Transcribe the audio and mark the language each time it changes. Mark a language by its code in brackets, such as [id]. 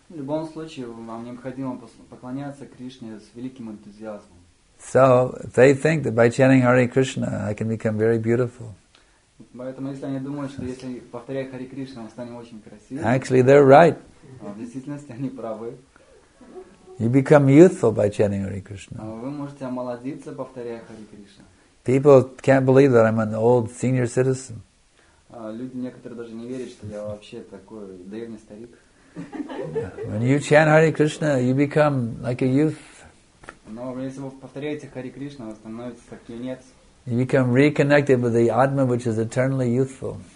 [ru] В любом случае вам необходимо поклоняться Кришне с великим энтузиазмом. [en] So they think that by chanting Hare Krishna I can become very beautiful. [ru] Поэтому если они думают, что если повторять Хари Кришна, мы станем очень красивыми. [en] Actually, they're right. [ru] В действительности они правы. [en] You become youthful by chanting Hare Krishna. [ru] Вы можете омолодиться, повторяя Хари Кришна. [en] People can't believe that I'm an old senior citizen. [ru] Люди некоторые даже не верят, что я вообще такой древний старик. [en] When you chant Hare Krishna, you become like a youth. [ru] Но если вы повторяете Хари Кришна, вы становитесь как юнец. [en] You become reconnected with the Atma, which is eternally youthful.